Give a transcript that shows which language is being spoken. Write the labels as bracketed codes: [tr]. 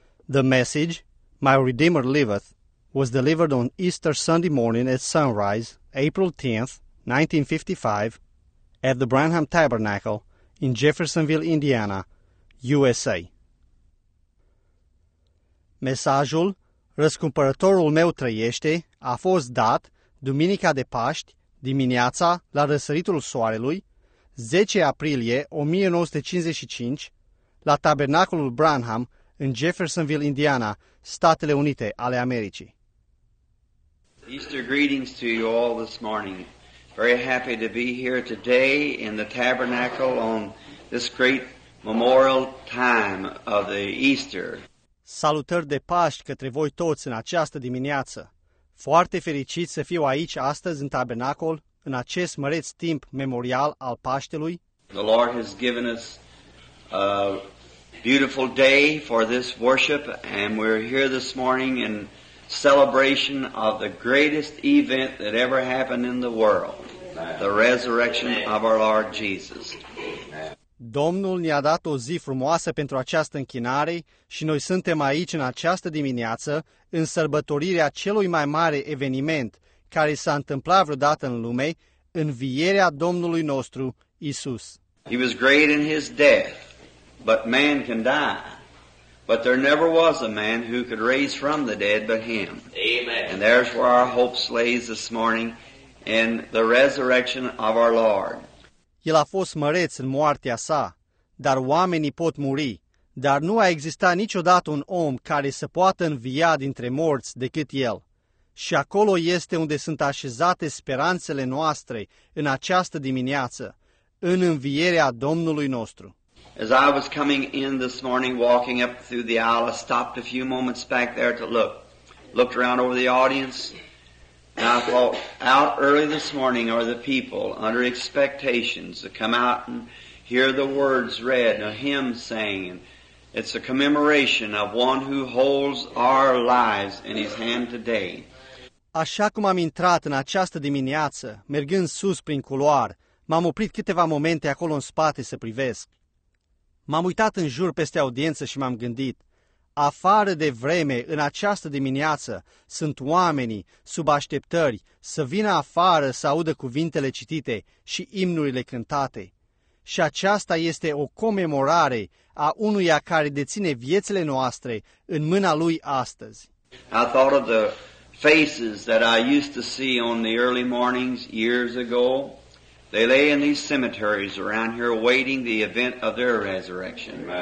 [en] The message, "My Redeemer Liveth," was delivered on Easter Sunday morning at sunrise, April 10, 1955, at the Branham Tabernacle in Jeffersonville, Indiana, USA. [ro] Mesajul "Răscumpărătorul meu trăiește" a fost dat duminica de Paști, dimineața la răsăritul soarelui, 10 aprilie 1955, la Tabernacolul Branham în Jeffersonville, Indiana, Statele Unite ale Americii. [en] Easter greetings to you all this morning. Very happy to be here today in the Tabernacle on this great memorial time of the Easter. [ro] Salutări de Paști către voi toți în această dimineață. Foarte fericit să fiu aici astăzi în Tabernacol, în acest măreț timp memorial al Paștelui. [en] The Lord has given us a beautiful day for this worship, and we're here this morning in celebration of the greatest event that ever happened in the world, the resurrection of our Lord Jesus. [ro] Domnul ne-a dat o zi frumoasă pentru această închinare și noi suntem aici în această dimineață în sărbătorirea celui mai mare eveniment care s-a întâmplat vreodată în lume, învierea Domnului nostru Isus. [en] He was great in his death, but man can die. But there never was a man who could raise from the dead but him. Amen. And there's where our hope lays this morning, in the resurrection of our Lord. [ro] El a fost măreț în moartea sa, dar oamenii pot muri, dar nu a existat niciodată un om care să poată învia dintre morți decât el. Și acolo este unde sunt așezate speranțele noastre în această dimineață, în învierea Domnului nostru. [en] As I was coming in this morning, walking up through the aisle, I stopped a few moments back there to look. Looked around over the audience, and I thought, out early this morning are the people under expectations to come out and hear the words read, a hymn sang. It's a commemoration of one who holds our lives in his hand today. [ro] Așa cum am intrat în această dimineață, mergând sus prin culoar, m-am oprit câteva momente acolo în spate să privesc. M-am uitat în jur peste audiență și m-am gândit, afară de vreme, în această dimineață, sunt oamenii sub așteptări să vină afară să audă cuvintele citite și imnurile cântate. Și aceasta este o comemorare a unuia care deține viețile noastre în mâna lui astăzi. [en] I thought of the faces that I used to see on the early mornings years ago. They lay in these cemeteries around here waiting the event of their resurrection.